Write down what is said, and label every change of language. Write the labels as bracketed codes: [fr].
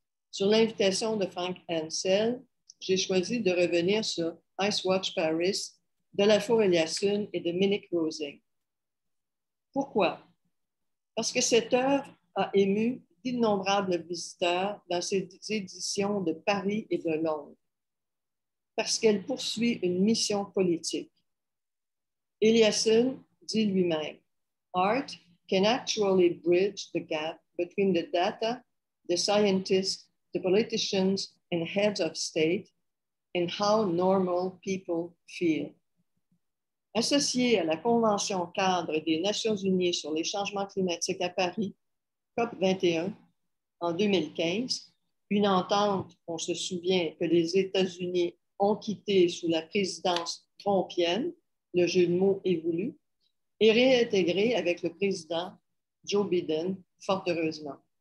[fr] Sur l'invitation de Frank Ansel, j'ai choisi de revenir sur Ice Watch Paris de Lafour Eliasson et de Minik Rosing. Pourquoi? Parce que cette œuvre a ému d'innombrables visiteurs dans ses éditions de Paris et de Londres. Parce qu'elle poursuit une mission politique. Eliasson dit lui-même, [en] Art can actually bridge the gap between the data, the scientists, the politicians, and heads of state, and how normal people feel. [fr] Associée à la Convention cadre des Nations Unies sur les changements climatiques à Paris, COP21, en 2015, une entente, on se souvient, que les États-Unis ont quittée sous la présidence trumpienne, le jeu de mots est voulu, et réintégrée avec le président Joe Biden, fort heureusement.